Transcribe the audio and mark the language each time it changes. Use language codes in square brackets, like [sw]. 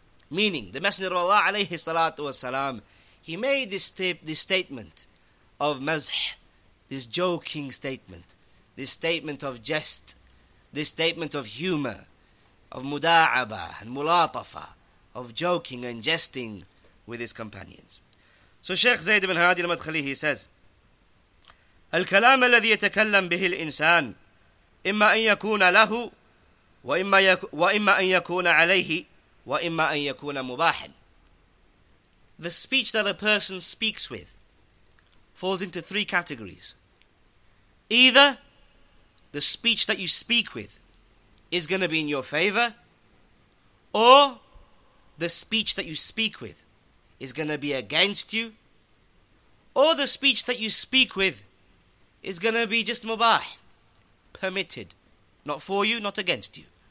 [en] Meaning, the Messenger of Allah, alayhi salatu wasalam, he made this statement of mazh, this joking statement, this statement of jest, this statement of humor, of muda'aba and mulatafa, of joking and jesting with his companions. So Sheikh Zayd ibn Hadi al-Madkhali, he says, [ar] الكلام الذي يتكلم به الإنسان إما أن يكون له وإما أن يكون عليه وإما أن يكون مباحا. [en] The speech that a person speaks with falls into three categories. Either the speech that you speak with is going to be in your favor, or the speech that you speak with is going to be against you, or the speech that you speak with is going to be just mubah, permitted, not for you, not against you.